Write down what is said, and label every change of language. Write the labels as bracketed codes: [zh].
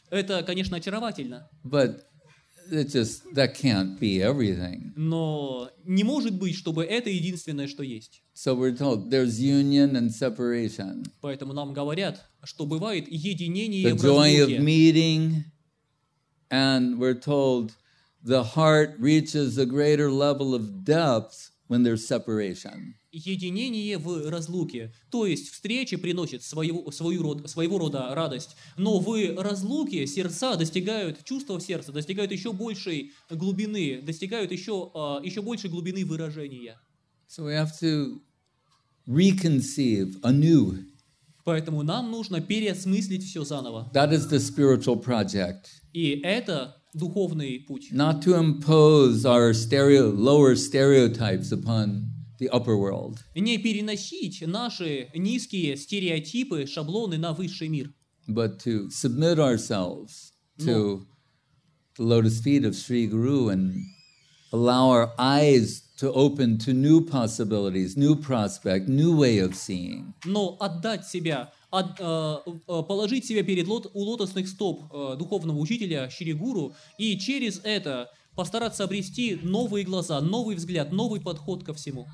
[ru] Это, конечно, очаровательно. [en] But it just that can't be everything. [ru] Но не может быть, чтобы это единственное, что есть. [en] So we're told there's union and separation. [ru] Поэтому нам говорят, что бывает единение в разлуке. [en] The joy of meeting. And we're told the heart reaches a greater level of depth when there's separation. [ru] Единение в разлуке, то есть встреча приносит своего рода радость, но в разлуке сердца достигают, чувства сердца достигают еще большей глубины, достигают еще большей глубины выражения. [en] So we have to reconceive anew. [ru] Поэтому нам нужно переосмыслить все заново. [en] That is the spiritual project. [ru] И это духовный путь. [en] Not to impose our lower stereotypes upon the upper world. [ru] Не переносить наши низкие стереотипы, шаблоны на высший мир. [en] But to submit ourselves to the lotus feet of Sri Guru and allow our eyes to open to new possibilities, new prospect, new way of seeing. [ru] Но отдать себя, положить себя перед у лотосных стоп духовного учителя Шри Гуру и через это постараться обрести новые глаза, новый взгляд, новый подход ко всему.